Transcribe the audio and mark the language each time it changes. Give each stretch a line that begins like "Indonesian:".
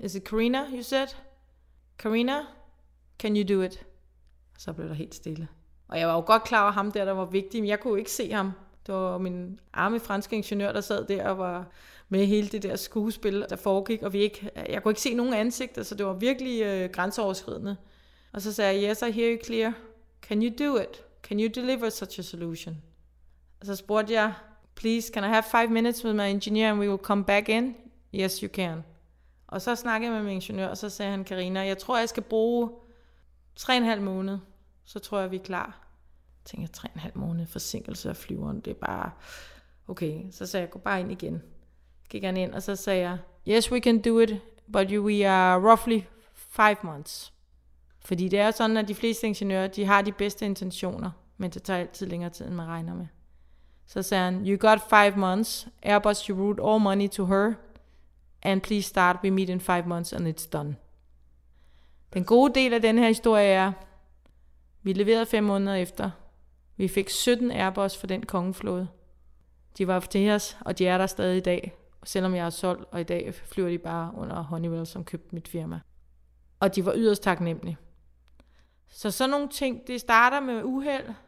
English: Is it Karina, you said? Karina, can you do it?"
Danish: Så blev der helt stille. Og jeg var jo godt klar over ham der var vigtig, men jeg kunne jo ikke se ham. Det var min arme franske ingeniør, der sad der og var med hele det der skuespil, der foregik. Og jeg kunne ikke se nogen ansigter, så det var virkelig grænseoverskridende. Og så sagde jeg,
English: "Yes, I hear you clear. Can you do it? Can you deliver such a solution?"
Danish: Og så spurgte jeg,
English: "Please, can I have 5 minutes with my engineer, and we will come back in?" "Yes, you can."
Danish: Og så snakkede jeg med min ingeniør, og så sagde han, "Karina, jeg tror, jeg skal bruge 3,5 måneder, så tror jeg, vi er klar." Jeg tænker, 3,5 måneder forsinkelse af flyveren, det er bare... Okay, så sagde jeg, gå bare ind igen. Gik han ind, og så sagde jeg,
English: "Yes, we can do it, but we are roughly 5 months.
Danish: Fordi det er sådan, at de fleste ingeniører, de har de bedste intentioner, men det tager altid længere tid, end man regner med. Så sagde han,
English: "You got 5 months. Airbus, you route all money to her. And please start, we meet in 5 months and it's done."
Danish: Den gode del af den her historie er, vi leverede 5 måneder efter. Vi fik 17 Airbus for den kongeflåde. De var til os, og de er der stadig i dag. Selvom jeg er solgt, og i dag flyver de bare under Honeywell, som købte mit firma. Og de var yderst taknemmelige. Så sådan nogle ting, det starter med uheld.